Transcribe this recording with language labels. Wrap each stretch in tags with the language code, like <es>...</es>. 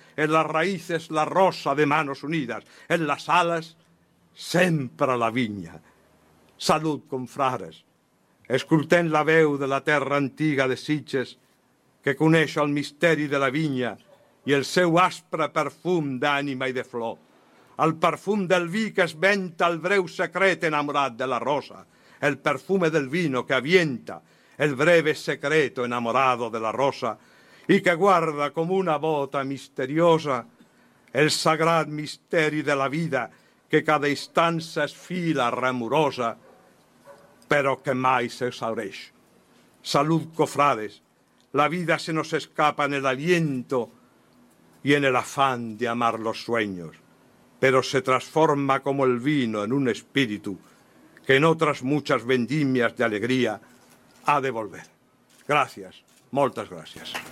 <ca>En les raïces, la rosa de mans unides. En les ales, sempre la vinya. Salut, confrares. Escoltem la veu de la terra antiga de Sitges, que coneix el misteri de la vinya i el seu aspre perfum d'ànima i de flor. El perfum del vi que es venta el breu secret enamorat de la rosa.</ca> <es>El perfume del vino que avienta el breve secreto enamorado de la rosa</es> <ca>i que guarda com una bota misteriosa el sagrat misteri de la vida que cada instant s'esfila remorosa però que mai s'exhaureix. Salut, cofrades.</ca> <es>La vida se nos escapa en el aliento y en el afán de amar los sueños, pero se transforma como el vino en un espíritu que en otras muchas vendimias de alegría ha de volver. Gracias,</es> <ca>moltes gràcies.</ca>